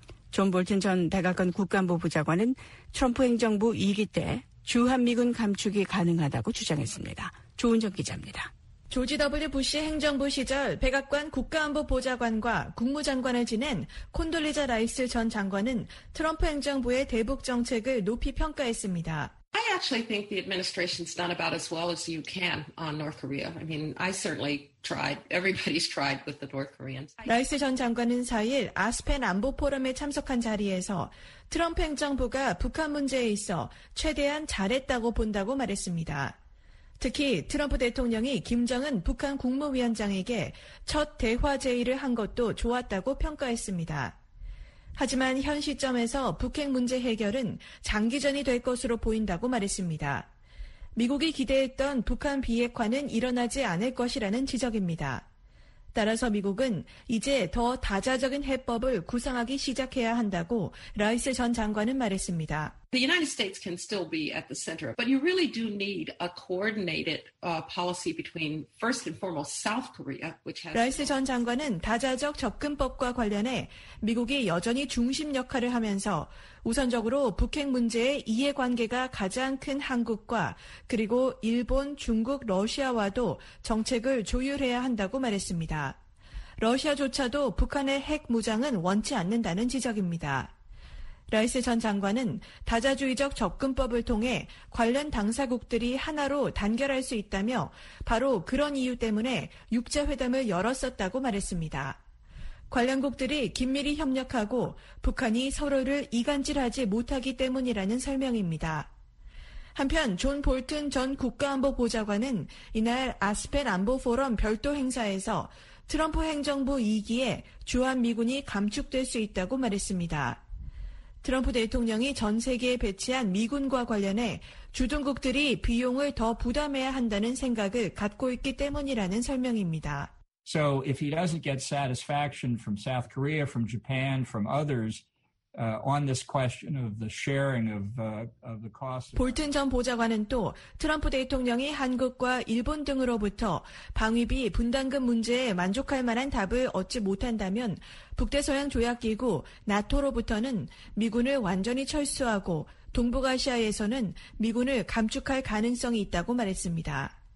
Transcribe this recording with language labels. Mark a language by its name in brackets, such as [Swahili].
[Korean] 존 볼튼 전 백악관 국가안보부 장관은 트럼프 행정부 2기 때 주한미군 감축이 가능하다고 주장했습니다. 조은정 기자입니다. 조지 W. 부시 행정부 시절 백악관 국가안보 보좌관과 국무장관을 지낸 콘돌리자 라이스 전 장관은 트럼프 행정부의 대북 정책을 높이 평가했습니다. [English] I actually think the administration's done about as well as you can on North Korea. I mean, I certainly tried. Everybody's tried with the North Koreans. [Korean] 라이스 전 장관은 4일 아스펜 안보 포럼에 참석한 자리에서 트럼프 행정부가 북한 문제에 있어 최대한 잘했다고 본다고 말했습니다. 특히 트럼프 대통령이 김정은 북한 국무위원장에게 첫 대화 제의를 한 것도 좋았다고 평가했습니다. 하지만 현 시점에서 북핵 문제 해결은 장기전이 될 것으로 보인다고 말했습니다. 미국이 기대했던 북한 비핵화는 일어나지 않을 것이라는 지적입니다. 따라서 미국은 이제 더 다자적인 해법을 구상하기 시작해야 한다고 라이스 전 장관은 말했습니다. [English] The United States can still be at the center, but you really do need a coordinated policy between first and foremost South Korea, which has. [Korean] 라이스 전 장관은 다자적 접근법과 관련해 미국이 여전히 중심 역할을 하면서 우선적으로 북핵 문제의 이해관계가 가장 큰 한국과 그리고 일본, 중국, 러시아와도 정책을 조율해야 한다고 말했습니다. 러시아조차도 북한의 핵 무장은 원치 않는다는 지적입니다. 라이스 전 장관은 다자주의적 접근법을 통해 관련 당사국들이 하나로 단결할 수 있다며 바로 그런 이유 때문에 육자회담을 열었었다고 말했습니다. 관련국들이 긴밀히 협력하고 북한이 서로를 이간질하지 못하기 때문이라는 설명입니다. 한편 존 볼튼 전 국가안보보좌관은 이날 아스펜 안보포럼 별도 행사에서 트럼프 행정부 2기에 주한미군이 감축될 수 있다고 말했습니다. 트럼프 대통령이 전 세계에 배치한 미군과 관련해 주둔국들이 비용을 더 부담해야 한다는 생각을 갖고 있기 때문이라는 설명입니다. [English] So if he doesn't get satisfaction from South Korea, from Japan, from others on this question of the sharing of the cost. [Korean] 볼튼 전 보좌관은 또 트럼프 대통령이 한국과 일본 등으로부터 방위비 분담금 문제에 만족할 만한 답을 얻지 못한다면 북대서양 조약기구 나토로부터는 미군을 완전히 철수하고 동북아시아에서는 미군을 감축할 가능성이 있다고 말했습니다.